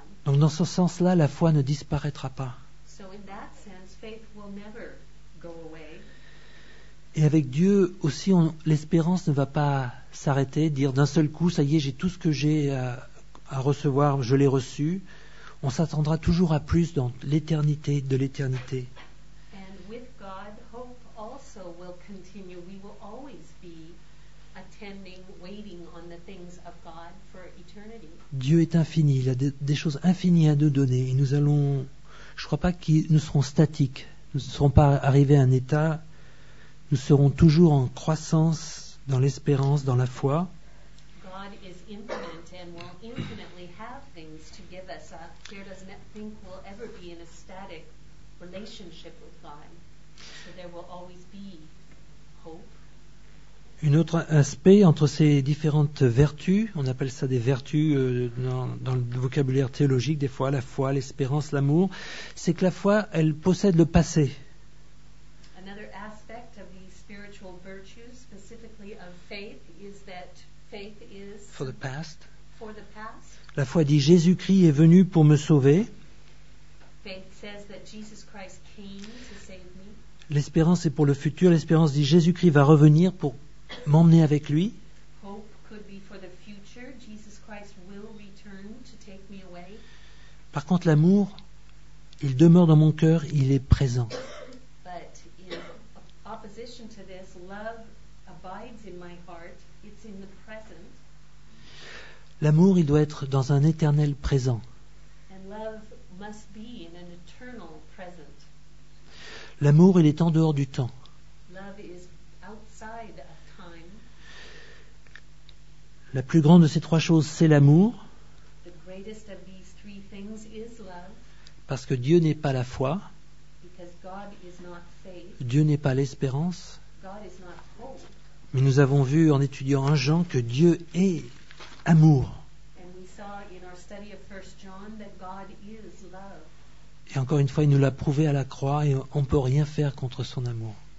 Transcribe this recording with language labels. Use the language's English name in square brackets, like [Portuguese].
[French] Donc dans ce sens-là, la foi ne disparaîtra pas. [English] So in that sense, faith will never go away. [French] Et avec Dieu aussi, l'espérance ne va pas s'arrêter, dire d'un seul coup, ça y est, j'ai tout ce que j'ai à recevoir, je l'ai reçu. On s'attendra toujours à plus dans l'éternité de l'éternité. [English] And with God, hope also will continue. We will always be attending, waiting on the things of God for eternity. [French] Dieu est infini, il a des choses infinies à nous donner. Et nous allons, je ne crois pas que nous serons statiques, nous ne serons pas arrivés à un état, nous serons toujours en croissance dans l'espérance, dans la foi. [English] God is infinite and will infinitely have things to give us. Pierre doesn't think we'll ever be in a static relationship with God. So there will always be hope. [French] Un autre aspect entre ces différentes vertus, on appelle ça des vertus dans le vocabulaire théologique des fois, la foi, l'espérance, l'amour, c'est que la foi, elle possède le passé. [English] Another aspect of the spiritual virtues, specifically of faith, is that faith is for the past. For the past. [French] La foi dit Jésus-Christ est venu pour me sauver. [English] Faith says that Jesus Christ came to save me. [French] L'espérance est pour le futur, l'espérance dit Jésus-Christ va revenir pour m'emmener avec lui. [English] Hope could be for the future. Jesus Christ will return to take me away. [French] Par contre, l'amour, il demeure dans mon cœur, il est présent. [English] But in opposition to this, love abides in my heart. It's in the present. [French] L'amour, il doit être dans un éternel présent. [English] And love must be in an eternal present. [French] L'amour, il est en dehors du temps. [English] Love is outside. [French] La plus grande de ces trois choses, c'est l'amour. [English] The greatest of these three things is love. [French] Parce que Dieu n'est pas la foi. [English] Because God is not faith. [French] Dieu n'est pas l'espérance. [English] God is not hope. [French] Mais nous avons vu en étudiant 1 Jean que Dieu est amour. [English] And we saw in our study of 1 John that God is love. [French] Et encore une fois, il nous l'a prouvé à la croix et on ne peut rien faire contre son amour.